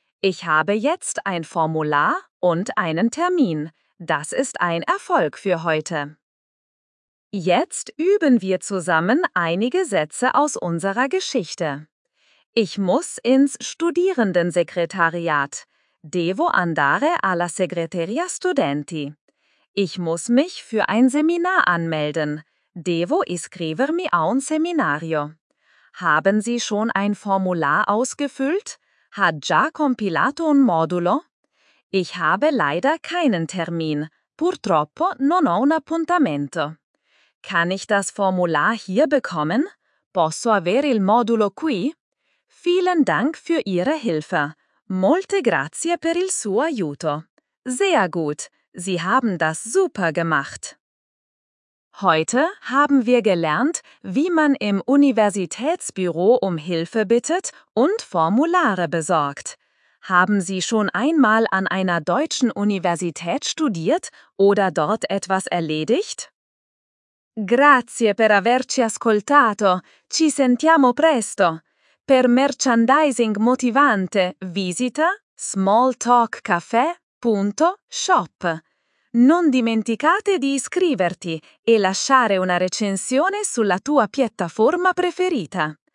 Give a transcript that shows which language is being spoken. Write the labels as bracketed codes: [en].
[de] Ich habe jetzt ein Formular und einen Termin. Das ist ein Erfolg für heute. Jetzt üben wir zusammen einige Sätze aus unserer Geschichte. Ich muss ins Studierendensekretariat. [it] Devo andare alla Segreteria Studenti. [de] Ich muss mich für ein Seminar anmelden. [it] Devo iscrivermi a un seminario. [de] Haben Sie schon ein Formular ausgefüllt? [it] Ha già compilato un modulo? [de] Ich habe leider keinen Termin. [it] Purtroppo non ho un appuntamento. [de] Kann ich das Formular hier bekommen? [it] Posso avere il modulo qui? [de] Vielen Dank für Ihre Hilfe. [it] Molte grazie per il suo aiuto. [de] Sehr gut. Sie haben das super gemacht. Heute haben wir gelernt, wie man im Universitätsbüro um Hilfe bittet und Formulare besorgt. Haben Sie schon einmal an einer deutschen Universität studiert oder dort etwas erledigt? [it] Grazie per averci ascoltato. Ci sentiamo presto. Per merchandising motivante, visita smalltalkcafe.shop. Non dimenticate di iscriverti e lasciare una recensione sulla tua piattaforma preferita.